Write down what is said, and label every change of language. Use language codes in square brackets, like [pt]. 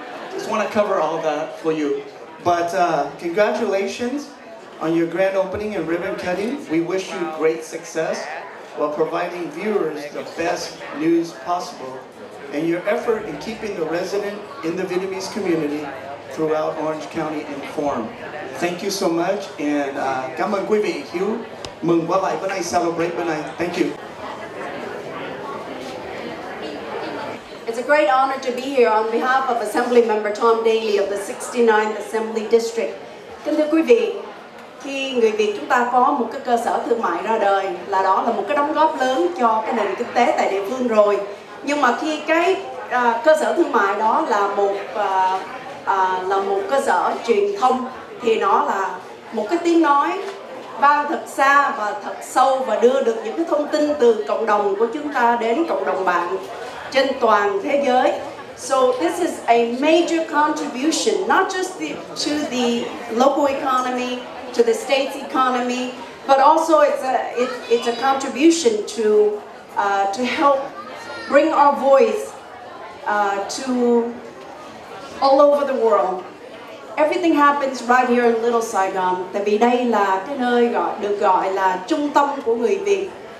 [en] Just want to cover all that for you. But congratulations on your grand opening and ribbon cutting. We wish you great success while providing viewers the best news possible and your effort in keeping the resident in the Vietnamese community throughout Orange County informed. Thank you so much, and [vi] cảm ơn quý vị, hiếu mừng quá lại bữa nay, celebrate bữa nay. [en] Thank you. It's a great honor to be here on behalf of Assemblymember Tom Daly of the 69th Assembly District. [vi] Kính thưa quý vị, khi người Việt chúng ta có một cái cơ sở thương mại ra đời là đó là một cái đóng góp lớn cho cái nền kinh tế tại địa phương rồi. Nhưng mà khi cái cơ sở thương mại đó là một cơ sở truyền thông thì nó là một cái tiếng nói vang thật xa và thật sâu và đưa được những cái thông tin từ cộng đồng của chúng ta đến cộng đồng bạn trên toàn thế giới. [en] So this is a major contribution, not just to the local economy, to the state's economy, but also it's a contribution to help bring our voice to all over the world. Everything happens right here in Little Saigon. [vi] Tại vì đây là cái nơi được gọi là trung tâm của người Việt.